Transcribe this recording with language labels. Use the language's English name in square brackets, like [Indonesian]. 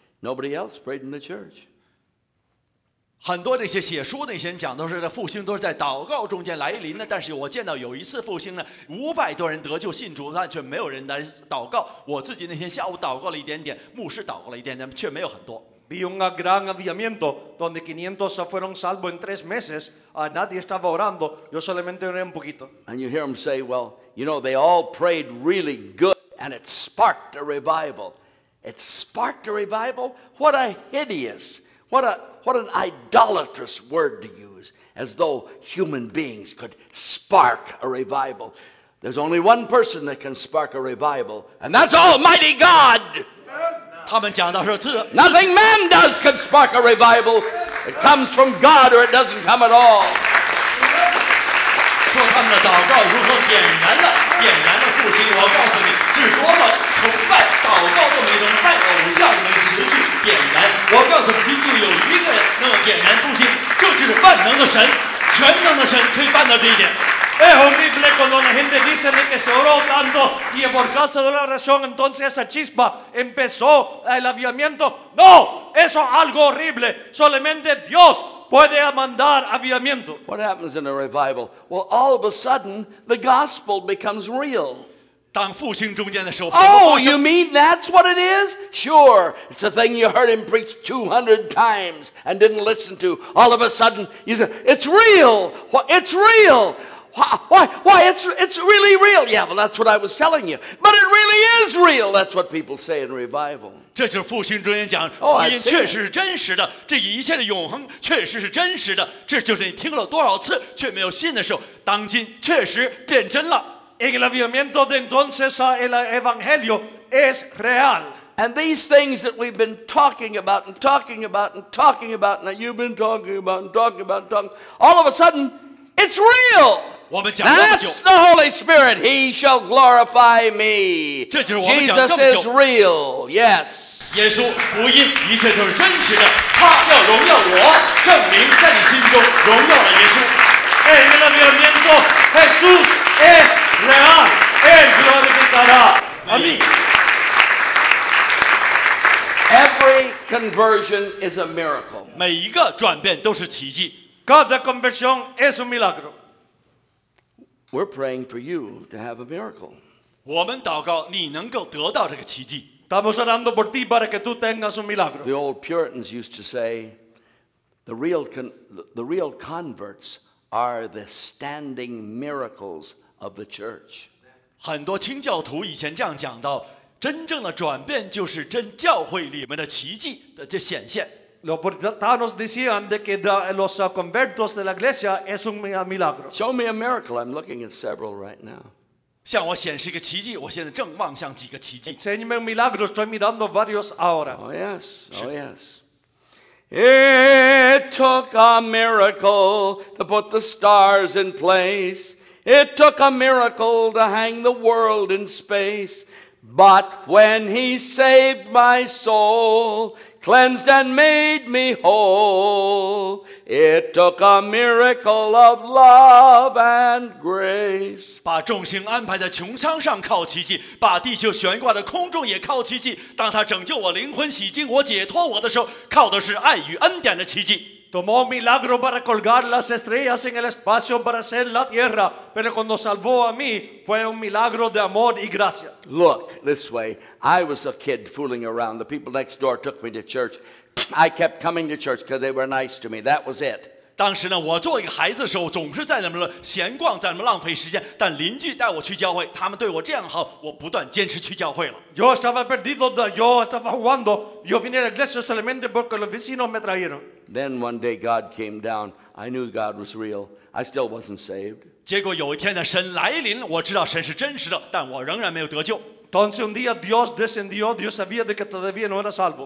[English] Nobody else prayed in the church. [Chinese] 很多那些写书的那些人讲都是复兴都是在祷告中间来临的，但是我见到有一次复兴呢，500多人得救信主，但却没有人来祷告。我自己那天下午祷告了一点点，牧师祷告了一点点，却没有很多。 [Spanish] Vi un gran avivamiento donde 500 fueron salvos en 3 meses. Nadie estaba orando. Yo solamente oré un poquito. [English] And you hear them say, well, you know, they all prayed really good, and it sparked a revival. It sparked a revival. What a hideous. What an idolatrous word to use, as though human beings could spark a revival. There's only one person that can spark a revival, and that's Almighty God. Nothing man does can spark a revival. It comes from God or it doesn't come at all. [Chinese] 说他们的祷告如何点燃了复兴，我告诉你，是多么崇拜祷告都没能拜偶像的词句点燃。我告诉你，仅仅有一个人能够点燃复兴，就是万能的神，全能的神可以办到这一点。 [Spanish] Es horrible cuando la gente dice que se oró tanto y por causa de la oración entonces esa chispa empezó el avivamiento. No, eso es algo horrible. Solamente Dios puede mandar avivamiento. [English] What happens in a revival? Well, all of a sudden the gospel becomes real. [Chinese] 当复兴中间的时候 [English] Oh, you mean that's what it is? Sure, it's a thing you heard him preach 200 times and didn't listen to. All of a sudden you say, it's real, it's real. Why? It's really real. Yeah, well, that's what I was telling you. But it really is real. That's what people say in revival. [Chinese] 这就是复兴中间讲福音确实是真实的，这一切的永恒确实是真实的。这就是你听了多少次却没有信的时候，当今确实变真了。 [Spanish] En el avivamiento de entonces el evangelio es real. [English] And these things that we've been talking about and talking about and talking about, and that you've been talking about and talking about and talking, all of a sudden, it's real. That's the Holy Spirit. He shall glorify me. Jesus is real. Yes. [Chinese] 耶稣福音一切都是真实的，他要荣耀我，圣灵在你心中荣耀了耶稣。 [Spanish] Hey, mi amigo, mi amigo, Jesús es real. Él glorificará a mí. [English] Every conversion is a miracle. [Chinese] 每一个转变都是奇迹。 [Spanish] Cada conversión es un milagro. [English] We're praying for you to have a miracle. [Chinese] 我们祷告你能够得到这个奇迹。 [Spanish] Estamos orando por ti para que tú tengas un milagro. [English] The old Puritans used to say, the real converts are the standing miracles of the church. [Chinese] 很多清教徒以前这样讲到，真正的转变就是真教会里面的奇迹的这显现。 [Spanish] Los puritanos decían de que los convertos de la iglesia es un milagro. [English] Show me a miracle. I'm looking at several right now. [Chinese] 向我显示一个奇迹，我现在正望向几个奇迹。 [Spanish] Enseñame un milagro, estoy mirando varios ahora. [English] Oh yes, oh yes. It took a miracle to put the stars in place. It took a miracle to hang the world in space. But when he saved my soul, cleansed and made me whole, it took a miracle of love and grace. [Chinese] 把众星安排在穹苍上靠奇迹，把地球悬挂在空中也靠奇迹。当他拯救我灵魂，洗净我，解脱我的时候，靠的是爱与恩典的奇迹。 [Spanish] Tomó un milagro para colgar las estrellas en el espacio para hacer la tierra, pero cuando salvó a mí fue un milagro de amor y gracia. [English] Look this way. I was a kid fooling around. The people next door took me to church. I kept coming to church because they were nice to me. That was it. [Chinese] 当时呢，我做一个孩子的时候，总是在那么闲逛，在那么浪费时间。但邻居带我去教会，他们对我这样好，我不断坚持去教会了。 [Spanish] Yo estaba perdido, yo estaba jugando. Yo vine a la iglesia solamente porque los vecinos me trajeron. [English] Then one day God came down. I knew God was real. I still wasn't saved. [Chinese] 结果有一天呢，神来临，我知道神是真实的，但我仍然没有得救。 [Spanish] Entonces un día Dios descendió. Dios sabía de que todavía no era salvo.